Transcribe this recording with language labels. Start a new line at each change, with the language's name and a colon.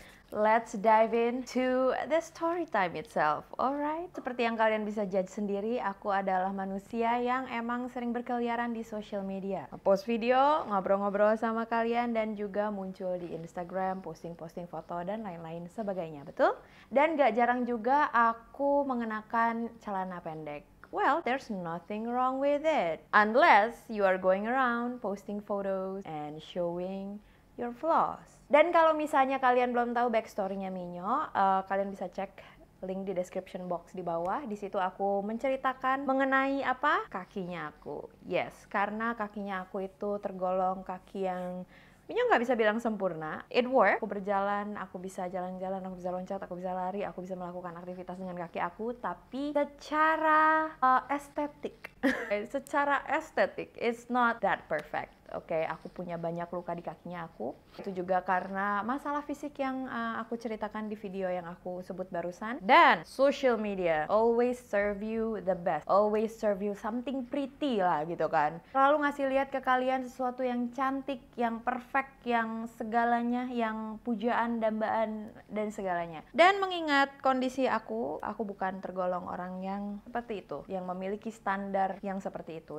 English: Let's dive in to the story time itself, alright?
Indonesian: Seperti yang kalian bisa judge sendiri, aku adalah manusia yang emang sering berkeliaran di social media. Post video, ngobrol-ngobrol sama kalian, dan juga muncul di Instagram, posting-posting foto, dan lain-lain sebagainya, betul? Dan gak jarang juga aku mengenakan celana pendek.
English: Well, there's nothing wrong with it. Unless you are going around posting photos and showing your flaws.
Indonesian: Dan kalau misalnya kalian belum tahu backstory-nya Minyo, kalian bisa cek link di description box di bawah. Di situ aku menceritakan mengenai apa? Kakinya aku. Yes, karena kakinya aku itu tergolong kaki yang Minyo nggak bisa bilang sempurna.
English: It work.
Indonesian: Aku berjalan, aku bisa jalan-jalan, aku bisa loncat, aku bisa lari, aku bisa melakukan aktivitas dengan kaki aku. Tapi secara estetik, secara estetik,
English: it's not that perfect.
Indonesian: Oke, aku punya banyak luka di kakinya aku. Itu juga karena masalah fisik yang aku ceritakan di video yang aku sebut barusan.
English: Dan social media always serve you the best. Always serve you something pretty
Indonesian: lah gitu kan. Selalu ngasih lihat ke kalian sesuatu yang cantik, yang perfect, yang segalanya, yang pujaan, dambaan, dan segalanya. Dan mengingat kondisi aku bukan tergolong orang yang seperti itu, yang memiliki standar yang seperti itu.